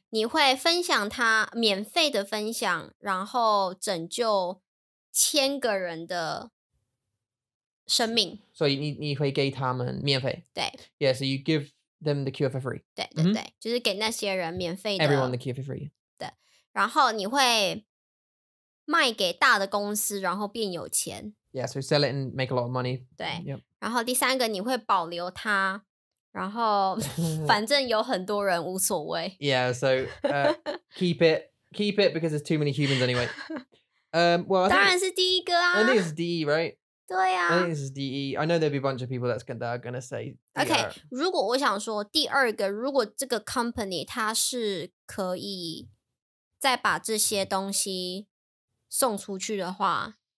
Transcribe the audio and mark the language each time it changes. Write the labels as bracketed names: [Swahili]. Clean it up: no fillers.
[Chinese] 你会分享它, 免费的分享, 然后拯救千个人的生命。 So 你会给他们免费? 对。 [English] Yeah, so you give them the cure for free. [Chinese] 对对对, mm-hmm. 就是给那些人免费的, [English] everyone the cure for free. [Chinese] 对, 然后你会卖给大的公司, 然后变有钱。 [English] Yeah, so sell it and make a lot of money. [Chinese] 对，然后第三个你会保留它, 然后反正有很多人无所谓。 [English] Yeah, so keep it because there's too many humans anyway. Well, [Chinese] 当然是第一个啊。 [English] I think it's DE, right? [Chinese] 对啊。 [English] I think this is DE. I know there'll be a bunch of people that are gonna say DR. [Chinese] Okay, 如果我想说第二个，如果这个 company 它是可以再把这些东西送出去的话。